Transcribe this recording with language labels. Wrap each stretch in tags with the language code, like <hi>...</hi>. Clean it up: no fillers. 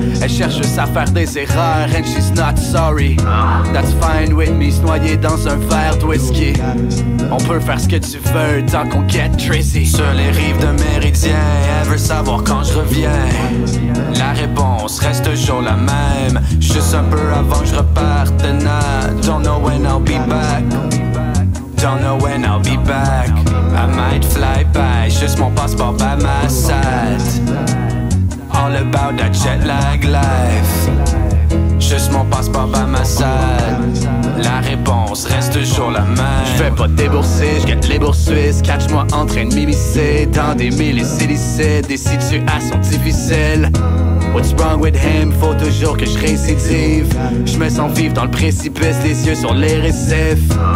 <fr>Elle cherche juste à faire des erreurs,</fr> <en>and she's not sorry. That's fine with me,</en> <fr>se noyer dans un verre de whisky. On peut faire ce que tu veux tant qu'on get Tracy. Sur les rives de Méridien, elle veut savoir quand je reviens. La réponse reste toujours la même. Juste un peu avant que je reparte.</fr> <en>Nah, don't know when I'll be back. Don't know when I'll be back. I might fly by, just</en> <fr>mon passeport</fr> <en>by my side. All about that jet lag life.</en> <fr>Juste mon passeport</fr> <en>by my side.</en> <fr>La réponse reste toujours la même. J'fais pas débourser, j'gagne les bourses suisses. Catch-moi en train de m'immiscer dans des millisillicides. Des situations difficiles.</fr> <en>What's wrong with him?</en> <fr>Faut toujours que je récidive. J'me sens vivre dans le précipice, les yeux sur les récifs.</fr>